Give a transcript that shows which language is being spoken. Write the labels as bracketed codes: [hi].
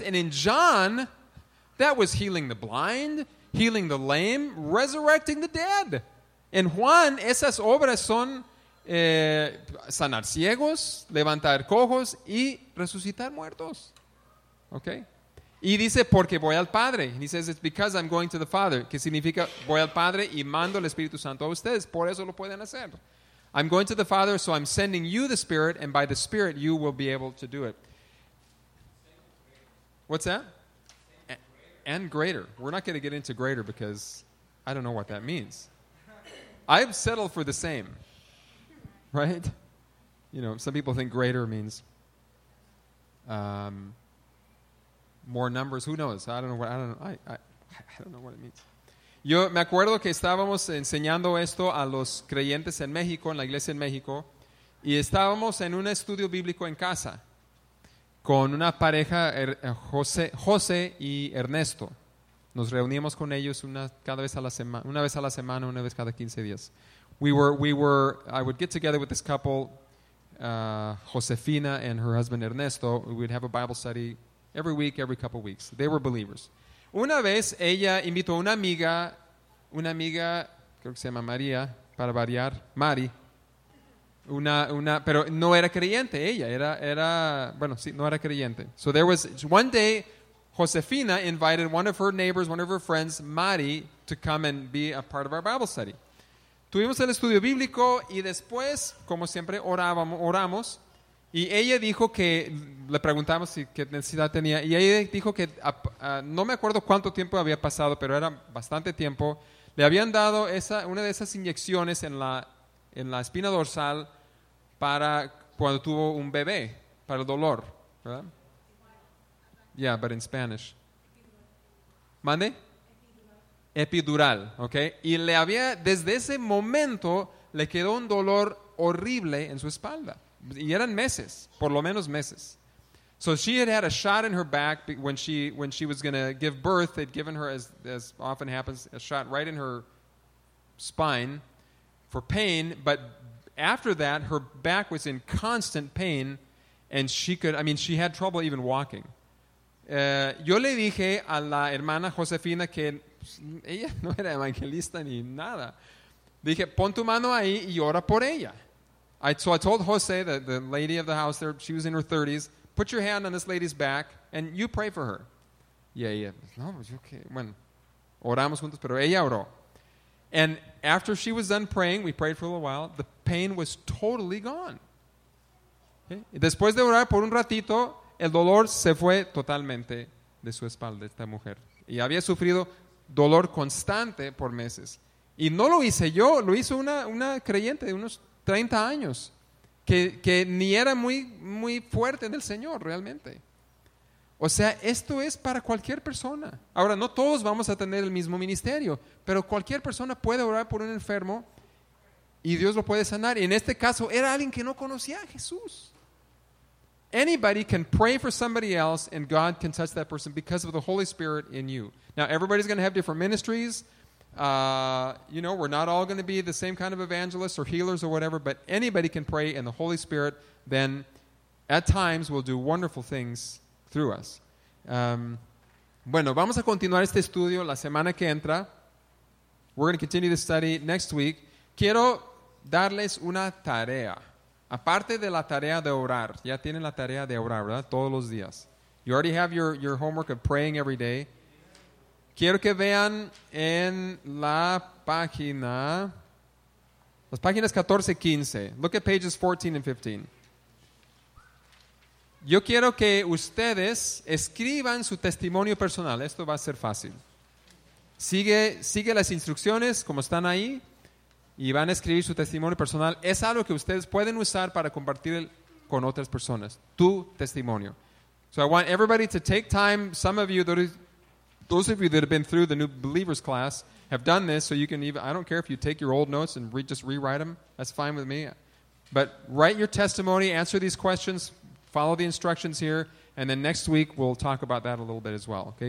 [en] And in John, that was healing the blind, healing the lame, resurrecting the dead. [es] En Juan, esas obras son sanar ciegos, levantar cojos y resucitar muertos. Okay? Y dice, porque voy al Padre. [en] And he says, it's because I'm going to the Father. [es] Que significa, voy al Padre y mando el Espíritu Santo a ustedes. Por eso lo pueden hacer. [en] I'm going to the Father, so I'm sending you the Spirit, and by the Spirit, you will be able to do it. What's that? And greater. We're not going to get into greater because I don't know what that means. I've settled for the same. Right? You know, some people think greater means more numbers. Who knows? I don't know what it means. [es] Yo me acuerdo que estábamos enseñando esto a los creyentes en México, en la iglesia en México, y estábamos en un estudio bíblico en casa con una pareja, José y Ernesto. Nos reuníamos con ellos una vez cada 15 días. [en] I would get together with this couple, Josefina and her husband Ernesto. We would have a Bible study every week, every couple weeks. They were believers. [es] Una vez ella invitó a una amiga, creo que se llama María, para variar, Mari. Una, pero no era creyente ella, era creyente. [en] So there was, one day, Josefina invited one of her neighbors, one of her friends, Mari, to come and be a part of our Bible study. [es] Tuvimos el estudio bíblico y después, como siempre, oramos. Y ella dijo que, le preguntamos si qué necesidad tenía, y ella dijo que, no me acuerdo cuánto tiempo había pasado, pero era bastante tiempo, le habían dado una de esas inyecciones en la espina dorsal para cuando tuvo un bebé, para el dolor, ¿verdad? [en] Yeah, but in Spanish. [es] ¿Mande? [en] Epidural, ¿ok? [es] Y le había, desde ese momento, le quedó un dolor horrible en su espalda. Y eran meses, por lo menos meses. [en] So she had had a shot in her back when she was going to give birth. They'd given her, as often happens, a shot right in her spine for pain, but after that, her back was in constant pain, and she had trouble even walking. [es] Yo le dije a la hermana Josefina que ella no era evangelista ni nada. Dije, pon tu mano ahí y ora por ella. [en] So I told Jose, the lady of the house there, she was in her 30s, put your hand on this lady's back, and you pray for her. Yeah. No, it's okay. [es] Bueno, oramos juntos, pero ella oró. [en] And after she was done praying, we prayed for a little while, the pain was totally gone. Okay? [es] Después de orar por un ratito, el dolor se fue totalmente de su espalda, esta mujer. Y había sufrido dolor constante por meses. Y no lo hice yo, lo hizo una creyente de unos 30 años, que ni era muy, muy fuerte en el Señor realmente. O sea, esto es para cualquier persona. Ahora, no todos vamos a tener el mismo ministerio, pero cualquier persona puede orar por un enfermo y Dios lo puede sanar. Y en este caso, era alguien que no conocía a Jesús. [en] Anybody can pray for somebody else and God can touch that person because of the Holy Spirit in you. Now, everybody's going to have different ministries. You know, we're not all going to be the same kind of evangelists or healers or whatever, but anybody can pray and the Holy Spirit then at times will do wonderful things through us. [es] Bueno, vamos a continuar este estudio la semana que entra. [en] We're going to continue the study next week. [es] Quiero darles una tarea. Aparte de la tarea de orar, ya tienen la tarea de orar, ¿verdad? Todos los días. [en] You already have your homework of praying every day. [es] Quiero que vean en la página, las páginas 14 y 15. [en] Look at pages 14 and 15. [es] Yo quiero que ustedes escriban su testimonio personal. Esto va a ser fácil. Sigue las instrucciones como están ahí y van a escribir su testimonio personal. Es algo que ustedes pueden usar para compartir con otras personas. Tu testimonio. [en] So I want everybody to take time. Some of you, those of you that have been through the New Believers class have done this, so you can even, I don't care if you take your old notes and just rewrite them. That's fine with me. But write your testimony, answer these questions, follow the instructions here, and then next week we'll talk about that a little bit as well, okay?